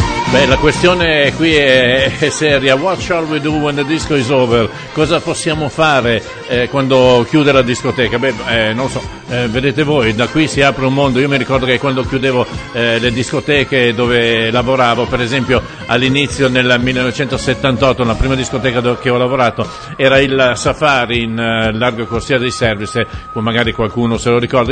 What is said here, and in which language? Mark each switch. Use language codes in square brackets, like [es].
[it] Beh, la questione qui è seria. [en] What shall we do when the disco is over? [it] Cosa possiamo fare quando chiude la discoteca? Vedete voi, da qui si apre un mondo. Io mi ricordo che quando chiudevo le discoteche dove lavoravo, per esempio all'inizio nel 1978, la prima discoteca che ho lavorato era il Safari in Largo Corsia dei Service, magari qualcuno se lo ricorda.